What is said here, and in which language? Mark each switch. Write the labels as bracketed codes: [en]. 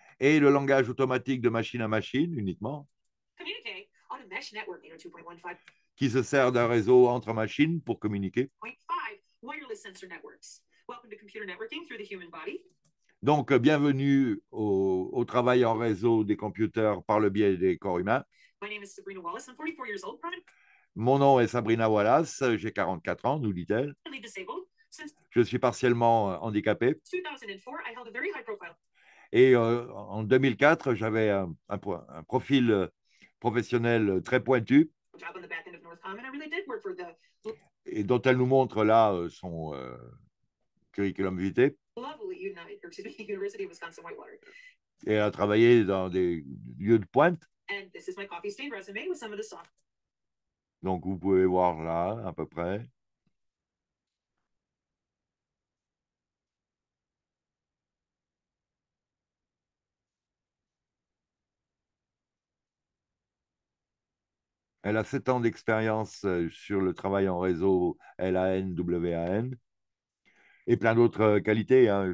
[fr] Et le langage automatique de machine à machine uniquement. [en] Communicate on a mesh network 802.15. [fr] Qui se sert d'un réseau entre machines pour communiquer. [en] 0.5. Wireless sensor networks. Welcome to computer networking through the human body. [fr] Donc, bienvenue au travail en réseau des computers par le biais des corps humains. [en] My name is Sabrina Wallace. I'm 44 years old. [fr] Mon nom est Sabrina Wallace. J'ai 44 ans, nous dit-elle. Je suis partiellement handicapé. [en] 2004, I held a very high profile. [fr] Et en 2004, j'avais un profil professionnel très pointu. [en] Job on the back end of North Common, I really did work for the... [fr] Et dont elle nous montre là son curriculum vitae. [en] Lovely University of Wisconsin Whitewater. [fr] Et a travaillé dans des lieux de pointe. [en] And this is my coffee stain resume with some of the software. [fr] Donc vous pouvez voir là à peu près. Elle a 7 ans d'expérience sur le travail en réseau LANWAN et plein d'autres qualités. Hein.